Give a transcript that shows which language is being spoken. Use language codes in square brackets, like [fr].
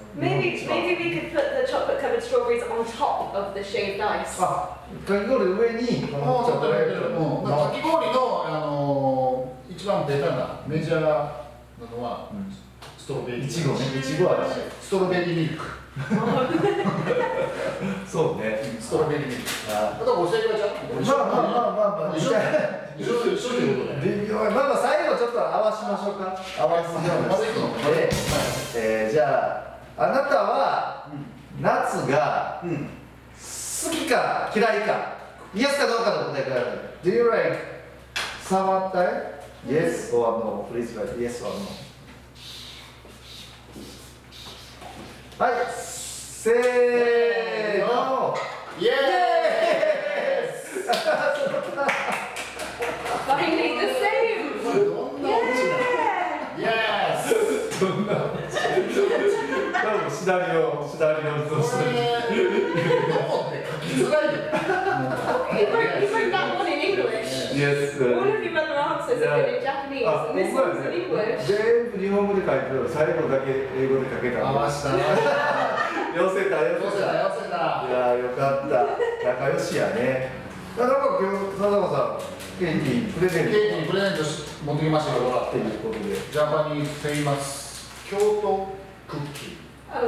[en] maybe we could put the chocolate covered strawberries on top of the shaved ice。 [ja] あ、かき氷の上にこのチョコレート、まあ、かき氷の、一番ベタなメジャーなのは、うん、ストロベリーいちごね、いちごはですね、ストロベリーミルクそうね、ストロベリーミルク。あとはおしゃれかちゃん、まあ一緒だよ、一緒だよ、微妙。まあ最後ちょっと合わしましょうか、合わせましょう、まずいくの。で、じゃあ、あなたは、うん、夏が、うん、好きか嫌いか、イエスかどうかの答えがある。 [en] Do you like summer time? Yes or no? Please write yes or no。 [ja] はい、せーの、イエーイ。 [en] Finally the same。 [ja] どんなオチ、多分シナリオ、シナリオのオチだ。どこで書きづらいの。 [en] You wrote that one in English。 Yes。 All of your other answers are in Japanese and this one's in English。 [ja] 全部日本語で書いてる、最後だけ英語で書けた。合わせた、寄せた。いやよかった、仲良しやね。なんか今日佐藤さん、ケイティプレゼント、ケイティプレゼント持ってきましたからっていうことで、ジャパニーズフェイマス京都クッキー。